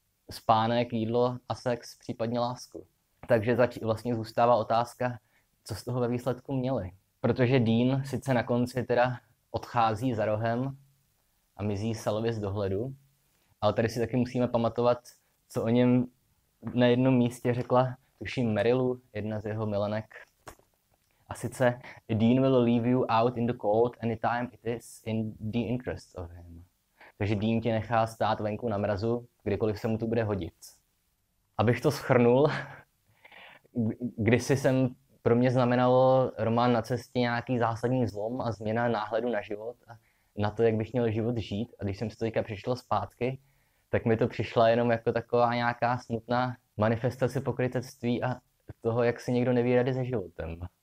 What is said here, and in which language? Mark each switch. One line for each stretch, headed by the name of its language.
Czech: Spánek, jídlo a sex, případně lásku. Takže vlastně zůstává otázka, co z toho ve výsledku měli. Protože Dean sice na konci teda odchází za rohem a mizí Salově z dohledu, ale tady si taky musíme pamatovat, co o něm na jednom místě řekla, tuším, Mary Lou, jedna z jeho milenek. A sice,
English: Dean will leave you out in the cold anytime it is in the interest of him.
Czech: Takže Dean tě nechá stát venku na mrazu, kdykoliv se mu to bude hodit. Abych to shrnul, kdysi jsem pro mě znamenalo román Na cestě nějaký zásadní zlom a změna náhledu na život a na to, jak bych měl život žít. A když jsem si to teďka přečetl zpátky, tak mi to přišla jenom jako taková nějaká smutná manifestace pokrytectví a toho, jak si někdo neví rady se životem.